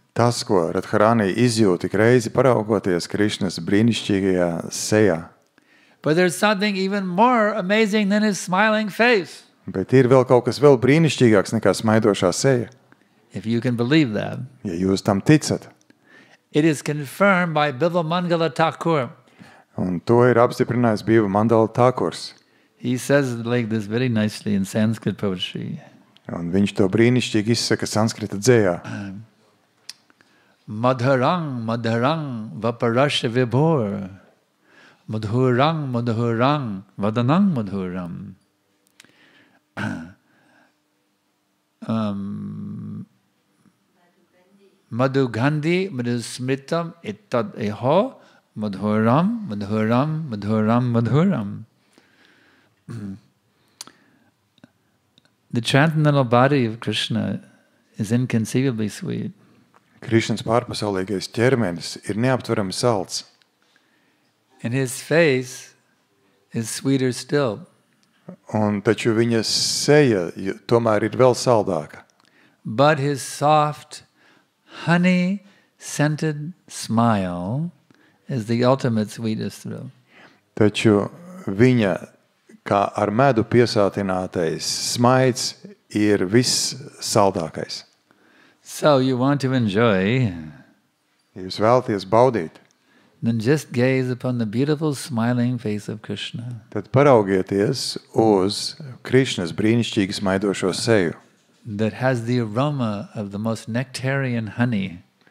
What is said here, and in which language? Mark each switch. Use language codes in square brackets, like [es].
[lv] Tas, ko Radharani izjūt tik reizi paraugoties Krishnas brīnišķīgajā sejā. [en] But there's something even more amazing than his smiling face. [lv] Bet ir vēl kaut kas vēl brīnišķīgāks nekā smaidošā seja. [en] If you can believe that. [lv] Ja jūs tam ticat. [en] It is confirmed by Bhiva Mangala Thakur. [lv] Un to ir apstiprinājis Bhiva Mangala Thakurs. [en] He says like this very nicely in Sanskrit poetry. [lv] Un viņš to brīnišķīgi izsaka sanskrita dzējā. [sa] Madharang, madharang, vaparasya vibhor. Madhurang, madhurang, vadanang madhuram. Madhugandhi, madhusmritam, ittad eho. Madhuram, madhuram, madhuram, madhuram. [en] The transcendental body of Krishna is inconceivably sweet. [lv] Krishna's pārpasaulīgais ķermenis ir neaptverams salts. [en] And his face is sweeter still. [lv] Un taču viņa seja tomēr ir vēl saldāka. [en] But his soft, honey-scented smile is the ultimate sweetest thrill. [lv] Taču viņa, kā ar medu piesātinātais smaids, ir viss saldākais. [en] So you want to enjoy. [lv] Jūs vēlaties baudīt. [en] Then just gaze upon the beautiful smiling face of Krishna. [lv] Tad paraugieties uz Krišnas brīnišķīgu smaidošo seju. [en] That has the aroma of the most nectarian honey.